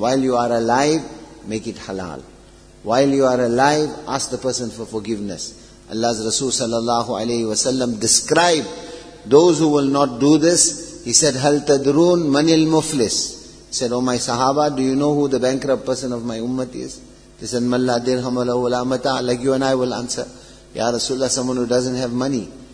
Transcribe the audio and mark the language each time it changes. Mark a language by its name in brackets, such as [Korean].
[English] While you are alive, make it halal. While you are alive, ask the person for forgiveness. Allah's Rasul sallallahu alayhi wa sallam described those who will not do this. He said, [Arabic] Hal tadroon manil muflis. [English] He said, oh my sahaba, do you know who the bankrupt person of my ummah is? They said, [Arabic] مَنْ لَا دِرْهَمَ لَهُ وَلَا مَتَعَ. [English] Like you and I will answer, Ya Rasulullah, someone who doesn't have money.